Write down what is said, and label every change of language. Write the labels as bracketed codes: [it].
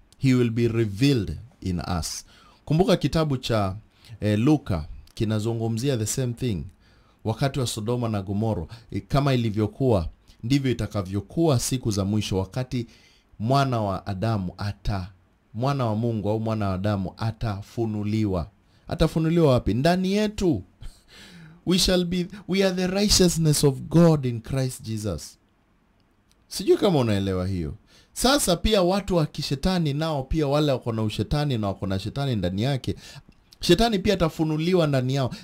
[en] He will be revealed in us. [sw] Kumbuka kitabu cha Luka kinazungumzia [en] the same thing. [sw] Wakati wa Sodoma na Gomoro, kama ilivyokuwa ndivyo itakavyokuwa siku za mwisho, wakati mwana wa Adamu ata, mwana wa Mungu au mwana wa Adamu atafunuliwa. Atafunuliwa wapi? Ndani yetu. [en] We are the righteousness of God in Christ Jesus. [sw] Sijui kama unaelewa hiyo. Sasa pia watu wa kishetani nao pia, wale wako na ushetani na wako na shetani ndani yake, shetani pia atafunuliwa ndani yao.